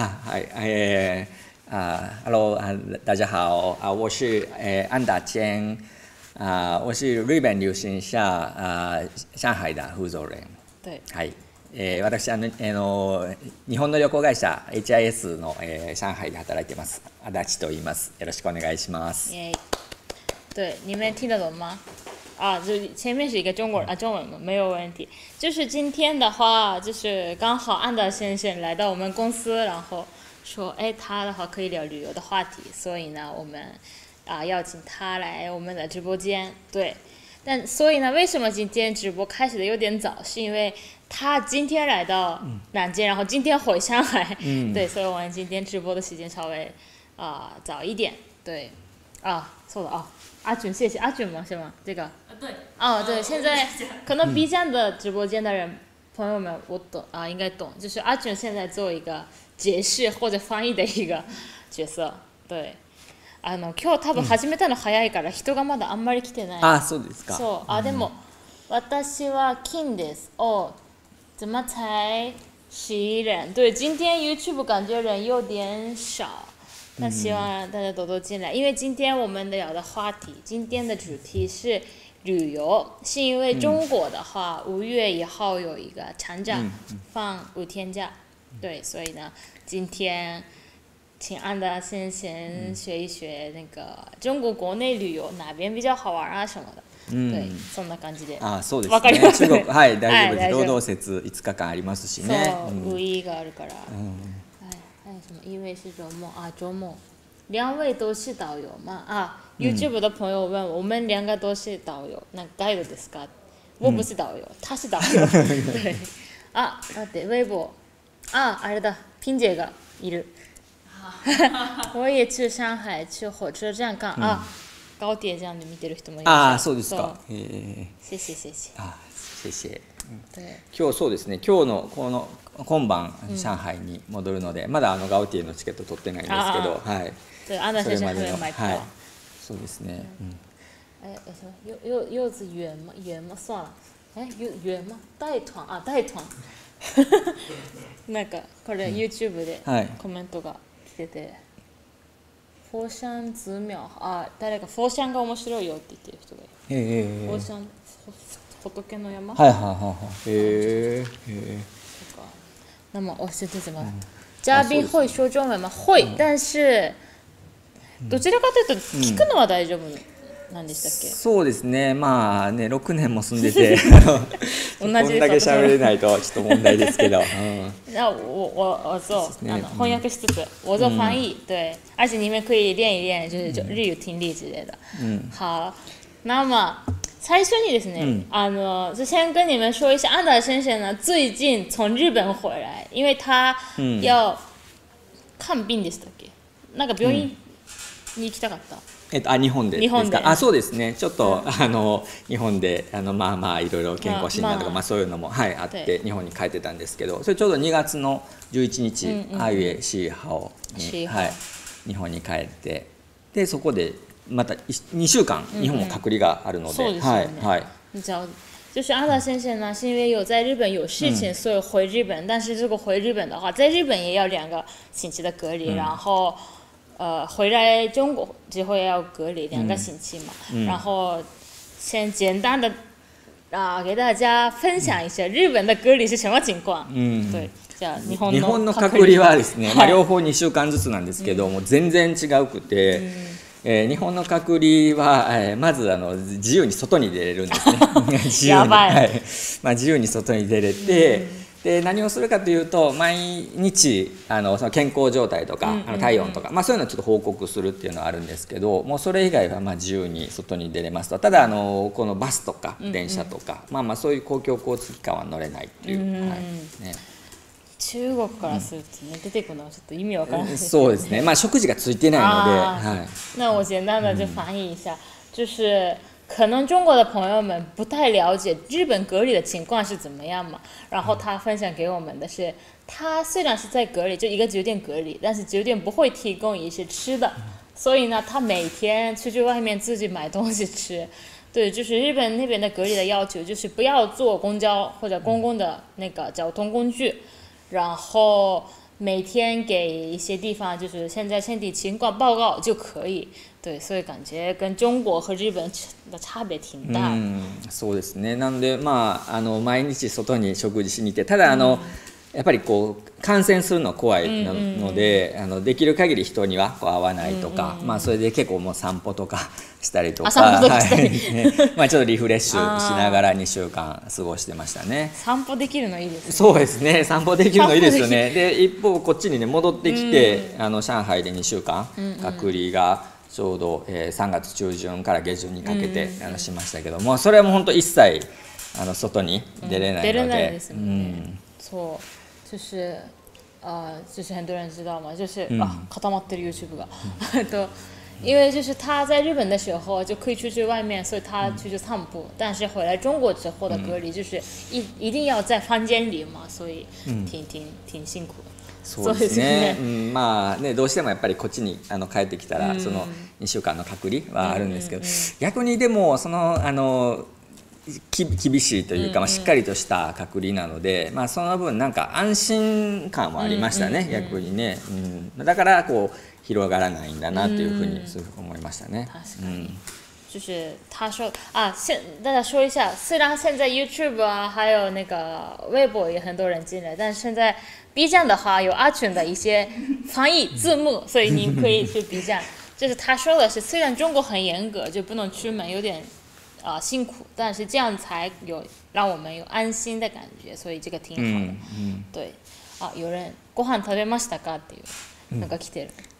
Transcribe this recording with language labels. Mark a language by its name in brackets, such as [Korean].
[Chinese] 啊，嗨，Hello， 大家好，我是安达坚，我是日本留学生，上海的福州人。对。 [Japanese] 嗨，私日本の旅行会社 HIS の上海で働いてます。安達と言います。よろしくお願いします。 [Chinese] 对，你们听得懂吗？啊，就前面是一个中国人啊，中文没有问题。就是今天的话，就是刚好安达先生来到我们公司，然后说，哎，他的话可以聊旅游的话题，所以呢，我们邀请他来我们的直播间。对，但所以呢，为什么今天直播开始的有点早？是因为他今天来到南京，嗯、然后今天回上海、嗯，对，所以我们今天直播的时间稍微早一点，对，啊，错了哦，阿俊，谢谢阿俊吗？是吗？这个，对，哦，对，现在可能 B 站的直播间的人、嗯、朋友们，我懂啊，应该懂，就是阿俊现在做一个解释或者翻译的一个角色，对。 [Japanese] あの今日多分始めたの早いから人がまだあんまり来てない、うん、あそうですかそうあでも、うん、私は金ですお [Chinese] 怎么才十一人对今天 YouTube 感觉人有点少那希望大家多多进来、嗯、因为今天我们聊的话题今天的主题是旅游是因为中国的话五、嗯、月一号有一个长假、嗯、放五天假、嗯、对所以呢今天请安达先学一学那个中国国内旅游哪边比较好玩啊什么的，嗯、 [Japanese] 对，そんな感じで。あ、そうですね。分かります。中国はい大丈夫です。労働節5日間ありますしね。そう、五一があるから。 [Chinese] はい、什么？因为是周末啊，周末。两位都是导游吗？啊、嗯、，YouTube 的朋友问我们两个都是导游，那 [Japanese] ガイドですか？ [Chinese] 我不是导游，嗯、他是导游。对。啊， [Japanese] 待って、 [Chinese] 微博。 [Japanese] 啊，あれだ、ピン姐がいる。 [Chinese] 我也去上海去火车站看、嗯、 [Japanese] 啊，高铁站で見てる人もいる。ああ、そうですか。 [Chinese] 谢谢谢谢。あ、谢谢。对。 [Japanese] 今日そうですね。今日のこの今晩上海に戻るので、嗯、まだあのガウティのチケット取ってないんですけど、啊、はい。 [Chinese] 对，安达先生还没买票。 [Japanese] はい。そうですね。嗯。 [Chinese] 哎，什么？柚子圆吗？圆吗？算了。哎，圆吗？带团啊，带团。 [Japanese] 那个，これ YouTube で、はい、コメントが。フォーシャンズミョあ誰かフォーシャンが面白いよって言ってる人がいる。フォーシャン仏の山。はいはいはいはい。 [Chinese] 那么我先说什么？嘉宾会说中文吗？会，但是 [Japanese] どちらかというと聞くのは大丈夫。嗯何でしたっけそうですね、まあね、6年も住んでて同じでこんだけ喋れないとちょっと問題ですけど、うん、那我そう、そうですね、あの翻訳しつつ、うん、 [Chinese] 我做翻译、うん、对而且你们可以练一练就是日语听力之类的、うん、 [Japanese] 好那么最初にですね、うん、 [Chinese] あの就先跟你们说一下安达先生呢最近从日本回来因为他要看病 [Japanese] でしたっけ、うん、なんか病院に行きたかった、うんあ日本でですか日本であそうですねちょっと、うん、あの日本であのまあまあいろいろ健康診断とか、まあまあ、そういうのも、はい、あって日本に帰ってたんですけどそれちょうど2月の11日アイウェイシーハオに、はい、日本に帰ってでそこでまた2週間日本も隔離があるの で、うんうんはい、そうですよね、はい、 [Chinese] 就是阿达先生呢是因为有在日本有事情、嗯、所以回日本但是如果回日本的话在日本也要两个星期的隔离、嗯、然后回来中国之后要隔离两个星期嘛、嗯、然后先简单的、给大家分享一下日本的隔离是什么情况、嗯、 [Japanese] 对じゃあ日本の隔離、日本の隔離はですね、まあ、両方2週間ずつなんですけども、うん、全然違うくて、うん日本の隔離は、まずあの自由に外に出れるんですね自由に、やばい、はいまあ、自由に外に出れて、うんで何をするかというと毎日あのその健康状態とか、うんうんうん、あの体温とか、まあ、そういうのをちょっと報告するっていうのはあるんですけどもうそれ以外はまあ自由に外に出れますとただあのこのバスとか電車とか、うんうんまあ、まあそういう公共交通機関は乗れないっていう、うんはいね、中国からすると、ねうん、出てくるのはちょっと意味わからないですねそうですね、まあ、食事がついてないのであ、はい、 [Chinese] 那我简单的就翻译一下、うん、就是可能中国的朋友们不太了解日本隔离的情况是怎么样嘛？然后他分享给我们的是，他虽然是在隔离，就一个酒店隔离，但是酒店不会提供一些吃的，所以呢，他每天出去外面自己买东西吃。对，就是日本那边的隔离的要求，就是不要坐公交或者公共的那个交通工具，然后每天给一些地方就是现在身体情况报告就可以。对，所以感觉跟中国和日本的差别挺大。 [Japanese] 嗯，そうですね。なんでまああの毎日外に食事しに行って、ただあの、うん、やっぱりこう感染するの怖いので、うんうんうん、あのできる限り人にはこう会わないとか、うんうん、まあそれで結構もう散歩とかしたりとか、あ散歩したり、はい、まあちょっとリフレッシュしながら2週間過ごしてましたね。散歩できるのいいですね。そうですね。散歩できるのいいですよね。で一方こっちにね戻ってきて、うん、あの上海で2週間隔離が、うんうんちょうど、3月中旬から下旬にかけてしましたけども、うんうん、それはもう本当一切外に出れないので、出れないですもんね。 [Chinese] そう、就是就是很多人知道嘛，就是啊， [Japanese] 固まってる YouTube が。 [Chinese] と因为就是他在日本的时候就可以出去外面，所以他去就散步。但是回来中国之后的隔离就是一定要在房间里嘛，所以挺辛苦。 [Japanese] そうですね。まあね、どうしてもやっぱりこっちに帰ってきたらその2週間の隔離はあるんですけど、逆にでもその厳しいというか、まあ、しっかりとした隔離なので、まあ、その分なんか安心感もありましたね、逆にね、だからこう広がらないんだなというふうに思いましたね。 [Chinese] 就是他说啊，现大家说一下，虽然现在 YouTube 啊，还有那个微博也很多人进来，但是现在 B 站的话有阿群的一些翻译字幕，所以您可以去 B 站。就是他说的是，虽然中国很严格，就不能出门，有点辛苦，但是这样才有让我们有安心的感觉，所以这个挺好的。对，啊，有人 [Japanese] ご飯食べましたかっていうなんか来てる。